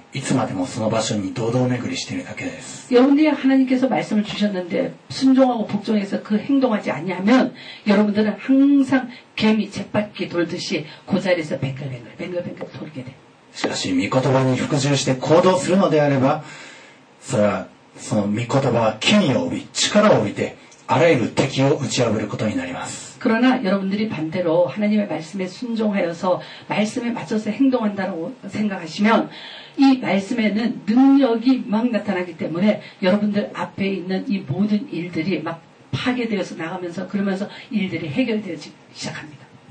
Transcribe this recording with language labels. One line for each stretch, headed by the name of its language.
Japanese: 服従して行動するところがなければ、いつまでもその場所に堂々巡りしているだけです。
Korean: 여러분들이 하나님께서 말씀을 주셨는데 순종하고 복종해서 그 행동하지 않냐면 여러분들은 항상 개미 쳇바퀴 돌듯이 그 자리에서 뱅글뱅글 뱅글뱅글 돌게 돼.
Japanese: しかし御言葉に服従して行動するのであれば、それはその御言葉は権威を帯び、力を帯びてあらゆる敵を打ち破ることになります。
Korean: 그러나 여러분들이 반대로 하나님의 말씀에 순종하여서 말씀에 맞춰서 행동한다고 생각하시면 이 말씀에는 능력이 막 나타나기 때문에 여러분들 앞에 있는 이 모든 일들이 막 파괴되어서 나가면서 그러면서 일들이 해결되어지기 시작합니다.